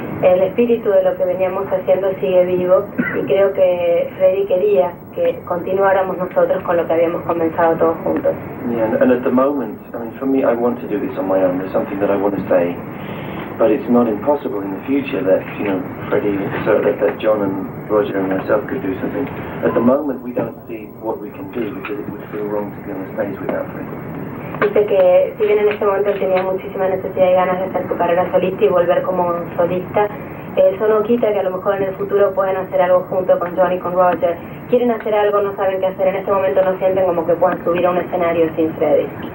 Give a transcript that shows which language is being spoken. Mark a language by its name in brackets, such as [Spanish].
[Spanish] El espíritu de lo que veníamos haciendo sigue vivo, y creo que Freddie quería que continuáramos nosotros con lo que habíamos comenzado todos juntos. [English] Yeah, and at the moment, I mean, for me, I want to do this on my own. There's something that I want to say, but it's not impossible in the future that, you know, Freddie, so that John and Roger and myself could do something. At the moment, we don't see what we can do because it would feel wrong to be on the stage without Freddie. [Spanish] Dice que si bien en este momento tenía muchísima necesidad y ganas de hacer su carrera solista y volver como solista, eso no quita que a lo mejor en el futuro puedan hacer algo junto con John y con Roger. Quieren hacer algo, no saben qué hacer. En este momento no sienten como que puedan subir a un escenario sin Freddie.